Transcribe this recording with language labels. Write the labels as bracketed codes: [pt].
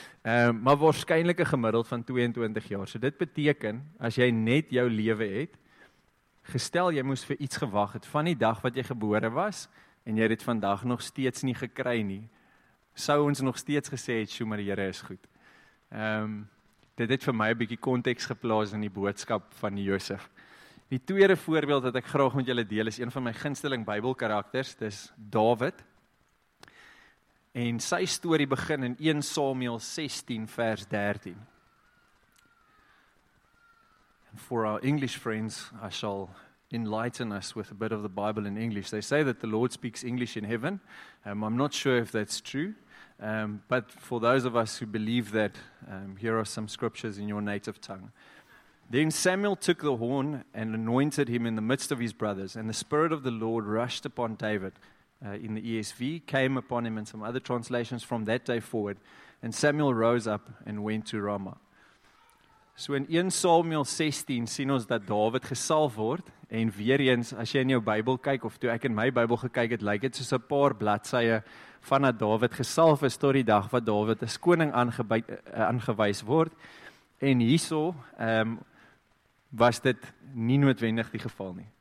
[af] Maar waarskynlik 'n gemiddeld van 22 jaar. So dit beteken as jy net jou lewe het, gestel jy moes vir iets gewag het van die dag wat jy gebore was en jy het dit vandag nog steeds nie gekry nie, sou ons nog steeds gesê het, "Sjoe, maar die Here is goed." Dit het vir my 'n bietjie konteks geplaas in die boodskap van Josef. Die tweede voorbeeld wat ek graag met julle deel is een van my gunsteling Bybelkarakters, dis Dawid. En sy storie begin in 1 Samuel 16 vers 13. [en] And for our English friends, I shall enlighten us with a bit of the Bible in English. They say that the Lord speaks English in heaven. I'm not sure if that's true. But for those of us who believe that, here are some scriptures in your native tongue. Then Samuel took the horn and anointed him in the midst of his brothers, and the Spirit of the Lord rushed upon David, in the ESV, came upon him in some other translations from that day forward, and Samuel rose up and went to Ramah. [af] So in 1 Samuel 16 sien ons dat David gesalf word, en weer eens, as jy in jou Bybel kyk, of toe ek in my Bybel gekyk het, lyk het soos 'n paar bladsye van dat David gesalf is tot die dag wat David as koning aangewys word, en hierso was dit nie noodwendig die geval nie.